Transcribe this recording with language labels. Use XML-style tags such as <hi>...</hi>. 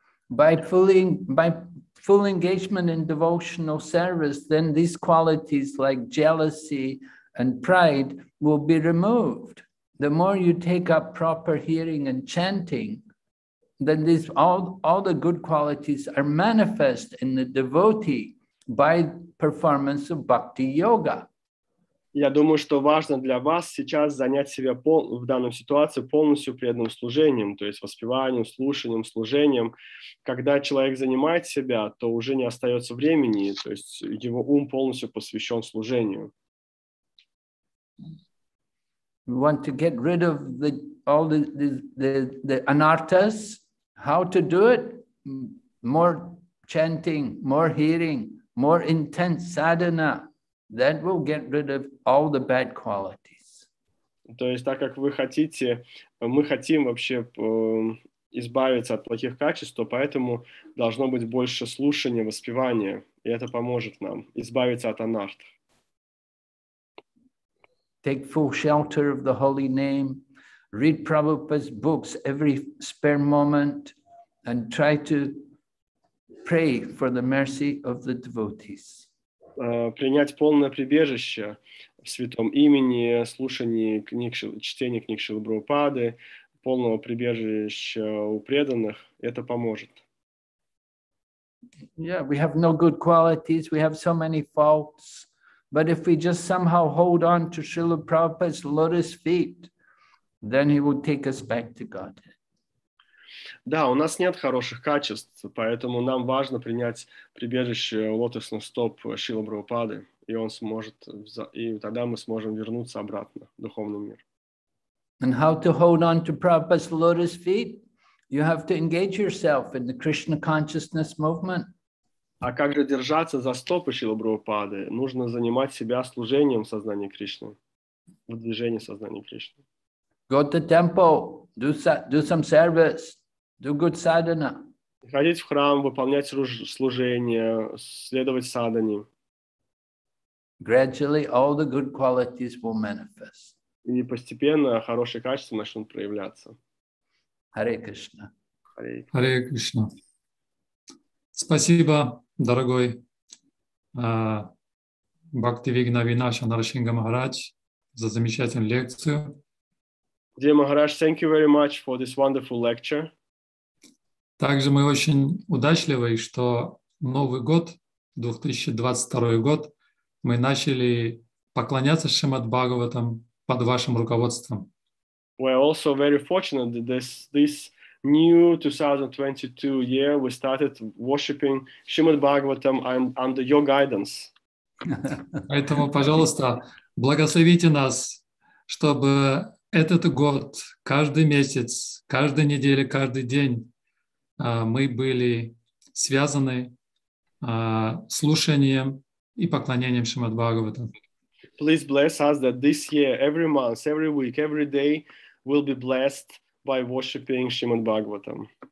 <en>By full engagement in devotional service, then these qualities like jealousy and pride will be removed. The more you take up proper hearing and chanting, then these all the good qualities are manifest in the devotee by performance of bhakti yoga.</en> <ru>Я думаю, что важно для вас сейчас занять себя в данной ситуации полностью преданным служением, то есть воспеванием, слушанием, служением. Когда человек занимает себя, то уже не остается времени, то есть его ум полностью посвящен служению.</ru> <en>We want to get rid of all the anarthas. How to do it? More chanting, more hearing, more intense sadhana. That will get rid of all the bad qualities.</en> <ru>То есть, так как вы хотите, мы хотим вообще избавиться от плохих качеств, то поэтому должно быть больше слушания, воспевания, и это поможет нам избавиться от анарт.</ru> <en>Take full shelter of the holy name, read Prabhupada's books every spare moment, and try to pray for the mercy of the devotees.</en> <ru>Принять полное прибежище в святом имени, слушание книг, чтение книг Шрилы Прабхупады, полного прибежища у преданных, это поможет.</ru> <en>Yeah, we have no good qualities, we have so many faults, but if we just somehow hold on to Srila Prabhupada's lotus feet, then he will take us back to God.</en> <ru>Да, у нас нет хороших качеств, поэтому нам важно принять прибежище лотосных стоп Шрилы Прабхупады, и он сможет, и тогда мы сможем вернуться обратно в духовный мир.</ru> <en>And how to hold on to Prabhupada's lotus feet? You have to engage yourself in the Krishna consciousness movement.</en> <ru>А как же держаться за стопы Шрилы Прабхупады? Нужно занимать себя служением сознания Кришны, в движении сознания Кришны.</ru> <en>Go to temple, do some service. Do good sadhana.</en> <ru>Ходить в храм, выполнять служение, следовать садхане.</ru> <en>Gradually all the good qualities will manifest.</en> <ru>И постепенно хорошие качества начнут проявляться.</ru> <en>Hare Krishna. Hare Krishna.</en> <ru>Спасибо, дорогой Бхакти Вигна Винаша Нарасимха Махарадж, за замечательную лекцию.</ru> <en>Dear Maharaj, thank you very much for this wonderful lecture.</en> <ru>Также мы очень удачливы, что Новый год, 2022 год, мы начали поклоняться Шримад Бхагаватам под вашим руководством.</ru> <en>We're also very fortunate that this new 2022 year we started worshiping Shrimad Bhagavatam under your guidance.</en> <ru>Поэтому, пожалуйста, благословите нас, чтобы этот год, каждый месяц, каждую неделю, каждый день мы были связаны слушанием и поклонением Шримад Бхагаватам.</ru> <en>Please bless us that this year, every month, every week, every day will be blessed by worshiping Shrimad Bhagavatam.</en>